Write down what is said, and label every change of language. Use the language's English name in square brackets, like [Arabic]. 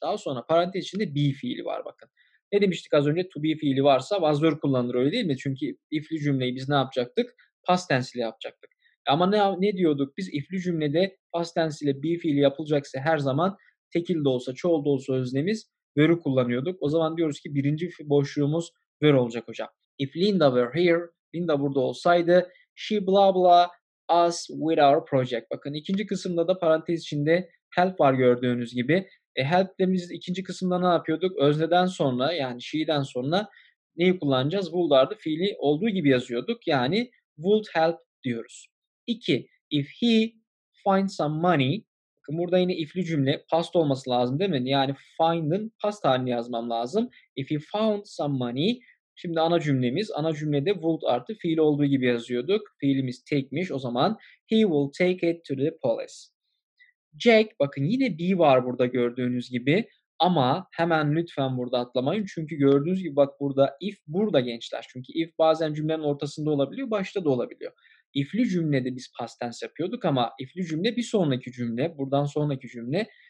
[Turkish] Daha sonra parantez içinde be fiili var bakın. Ne demiştik az önce? To be fiili varsa was were kullanılır, öyle değil mi? Çünkü if'li cümleyi biz ne yapacaktık? Past tense ile yapacaktık. Ama ne diyorduk biz? If'li cümlede past tense ile be fiili yapılacaksa her zaman tekil de olsa, çoğul da olsa özneimiz were'ü kullanıyorduk. O zaman diyoruz ki birinci boşluğumuz were olacak hocam. [English] If Linda were here, [Turkish] Linda burada olsaydı, [English] she blah blah us with our project. [Turkish] Bakın ikinci kısımda da parantez içinde help var gördüğünüz gibi. Help de biz ikinci kısımda ne yapıyorduk? Özneden sonra, yani she'den sonra neyi kullanacağız? Would'ardı, fiili olduğu gibi yazıyorduk. Yani would help diyoruz. [English] İki, if he finds some money. [Turkish] Bakın burada yine if'li cümle past olması lazım değil mi? Yani find'ın past halini yazmam lazım. [English] If he found some money. [Turkish] Şimdi ana cümlemiz. Ana cümlede would artı fiil olduğu gibi yazıyorduk. Fiilimiz take'miş. O zaman [English] he will take it to the police. [Turkish] Jack, bakın yine be var burada gördüğünüz gibi. Ama hemen lütfen burada atlamayın. Çünkü gördüğünüz gibi bak burada if burada gençler. Çünkü if bazen cümlenin ortasında olabiliyor, başta da olabiliyor. If'li cümlede biz past tense yapıyorduk ama if'li cümle bir sonraki cümle, buradan sonraki cümle.